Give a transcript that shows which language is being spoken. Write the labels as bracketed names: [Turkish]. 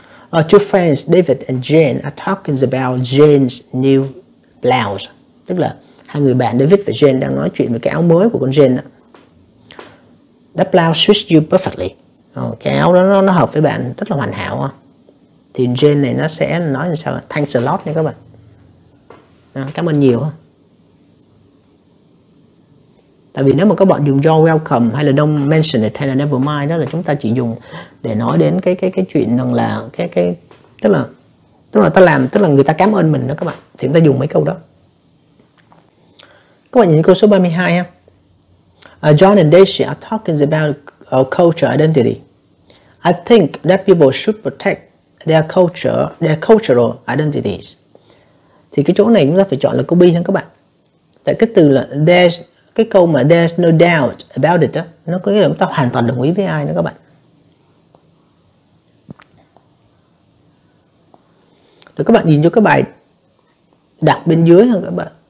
[English] Two friends, David and Jane, are talking about Jane's new blouse. [Vietnamese] Tức là hai người bạn David và Jane đang nói chuyện về cái áo mới của con Jane đó. [English] That blouse suits you perfectly. [Vietnamese] Cái áo đó nó hợp với bạn rất là hoàn hảo ha. Thì Jane này nó sẽ nói như sao? [English] Thanks a lot [Vietnamese] nha các bạn. Cảm ơn nhiều ha. Tại vì nếu mà các bạn dùng [English] your welcome [Vietnamese] hay là [English] don't mention it [Vietnamese] hay là [English] never mind [Vietnamese] đó là chúng ta chỉ dùng để nói đến cái chuyện rằng là cái tức là ta làm, tức là người ta cảm ơn mình đó các bạn, thì chúng ta dùng mấy câu đó. Các bạn nhìn câu số 32 ha. [English] John and Daisy are talking about our culture identity. I think that people should protect their cultural identities. [Vietnamese] Thì cái chỗ này chúng ta phải chọn là copy ha các bạn. Tại cái từ là there's, cái câu mà [English] there's no doubt about it [Vietnamese] đó, nó có nghĩa là chúng ta hoàn toàn đồng ý với ai nữa các bạn. Rồi các bạn nhìn cho cái bài đặt bên dưới ha các bạn.